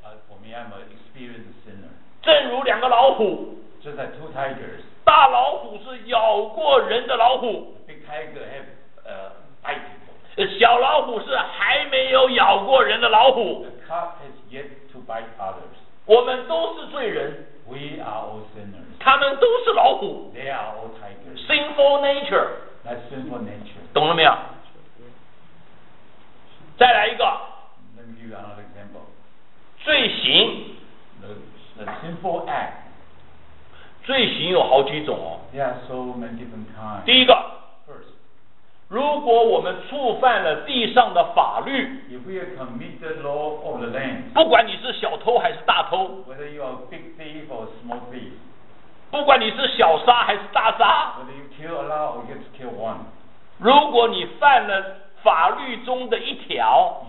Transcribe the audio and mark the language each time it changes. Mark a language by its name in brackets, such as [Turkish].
[English] For me, I'm an experienced sinner. [Chinese] 正如两个老虎。 [English] Just like two tigers. [Chinese] 大老虎是咬过人的老虎。 [English] Big tiger have, bite people. [Chinese] 小老虎是还没有咬过人的老虎。 [English] The cub has yet to bite others. [Chinese] 我们都是罪人。 [English] We are all sinners. [Chinese] 他们都是老虎。 [English] They are all tigers. Sinful nature. That's sinful nature. [Chinese] 懂了没有？ [English] Yeah. [Chinese] 再来一个。 [English] Let me give you another example. [Chinese] 罪行。 [English] The sinful act. [Chinese] 罪行有好几种哦。 [English] There are so many different kinds. [Chinese] 第一个。 [English] First. [Chinese] 如果我们触犯了地上的法律。 [English] If we have committed the law of the land. [Chinese] 不管你是小偷还是大偷。 [English] Whether you are a big thief or a small thief. [Chinese] 不管你是小杀还是大杀。 [English] When you kill a lot, you get to kill one. [Chinese] 如果你犯了法律中的一条，